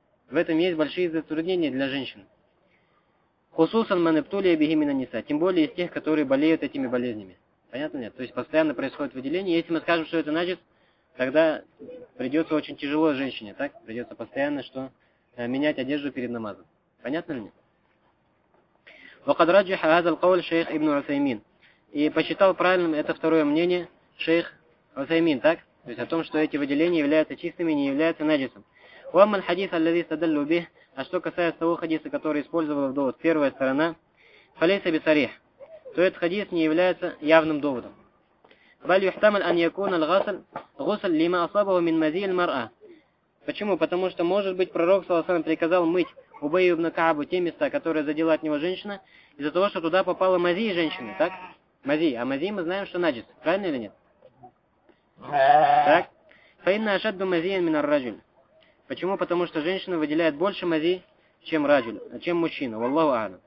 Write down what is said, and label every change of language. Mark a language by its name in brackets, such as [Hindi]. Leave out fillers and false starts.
[Russian] В этом есть большие затруднения для женщин. [Arabic] Хусусан манептулия бигимина ниса, [Russian] тем более из тех, которые болеют этими болезнями. Понятно, нет? То есть постоянно происходит выделение. Если мы скажем, что это наджис, тогда придется очень тяжело женщине, так? Придется постоянно что менять одежду перед намазом. Понятно ли мне? [Arabic] وقد رجح هذا القول شيخ ابن عثيمين. [Russian] И посчитал правильным это второе мнение шейх Усаймин, так? То есть о том, что эти выделения являются чистыми, не являются наджисом. [Arabic] وأما الحديث الذي استدلوا به, [Russian] а что касается того хадиса, который использовал довод первая сторона, [Arabic] فليس بصريح. [Russian] То этот хадис не является явным доводом. [Arabic] بل يحتمل أن يكون الغسل غسل لما أصابه من مزي المرأة. [Russian] Почему? Потому что, может быть, пророк Саласан приказал мыть Убей ибн Каабу те места, которые задела от него женщина, из-за того, что туда попала мази женщины, так? Мази. А мази мы знаем, что наджис. Правильно или нет? Так. [Arabic] Фаинна ашадду мазиян минар раджуль. [Russian] Почему? Потому что женщина выделяет больше мази, чем раджуль, чем мужчина. [Arabic] Валлаху а'лам.